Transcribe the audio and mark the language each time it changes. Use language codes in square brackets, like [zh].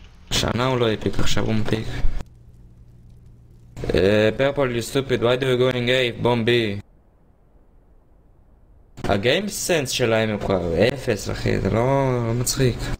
[he] שנה הוא לא יפיק, עכשיו הוא מפיק. [en] Purple, you stupid, why do you going A? Bomb B. [he] הגיים סנס שלהם הוא כבר אפס, אחי, זה לא מצחיק.